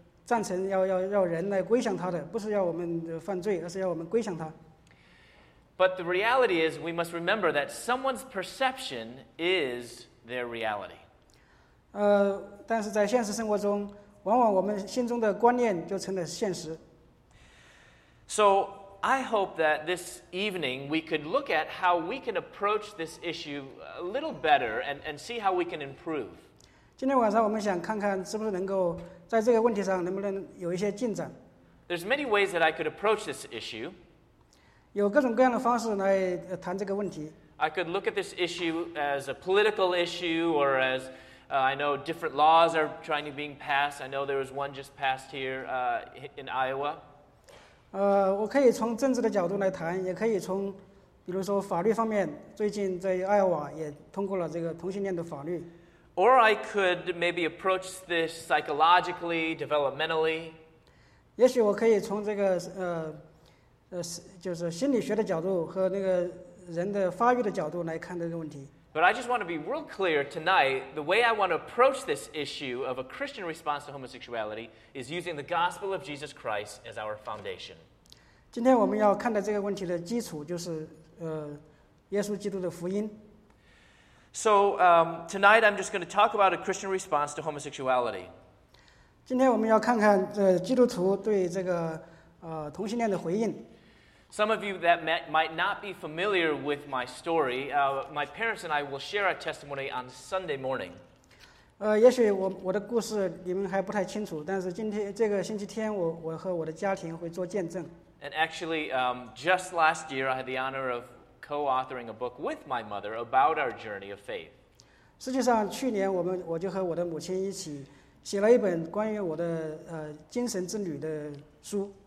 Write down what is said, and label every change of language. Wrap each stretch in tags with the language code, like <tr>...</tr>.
<zh>赞成要人来归向他的，不是要我们犯罪，而是要我们归向他。</zh> <en>But the reality is, we must remember that someone's perception is their reality.</en> <zh>但是在现实生活中，往往我们心中的观念就成了现实。</zh> <en>So I hope that this evening we could look at how we can approach this issue a little better and see how we can improve.</en> <zh>今天晚上我们想看看是不是能够在这个问题上能不能有一些进展。</zh> <en>There's many ways that I could approach this issue.</en> <zh>有各种各样的方式来谈这个问题。</zh> <en>I could look at this issue as a political issue or as, I know different laws are trying to be passed. I know there was one just passed here, in Iowa.</en> <zh>我可以从政治的角度来谈，也可以从比如说法律方面，最近在爱奥瓦也通过了这个同性恋的法律。</zh> <en>Or I could maybe approach this psychologically, developmentally.</en> <zh>也许我可以从这个就是心理学的角度和那个人的发育的角度来看这个问题。</zh> <en>But I just want to be real clear tonight, the way I want to approach this issue of a Christian response to homosexuality is using the gospel of Jesus Christ as our foundation.</en> <zh>今天我们要看待这个问题的基础就是耶稣基督的福音。</zh> <en>So tonight I'm just going to talk about a Christian response to homosexuality.</en> <zh>今天我们要看看基督徒对这个同性恋的回应。</zh> <en>Some of you that might not be familiar with my story, my parents and I will share our testimony on Sunday morning.</en> <zh>也许我的故事你们还不太清楚，但是今天这个星期天我和我的家庭会做见证。</zh> <en>And actually, just last year I had the honor of. Co-authoring a book with my mother about our journey of faith.</en> <zh>实际上，去年我就和我的母亲一起写了一本关于我的精神之旅的书。</zh>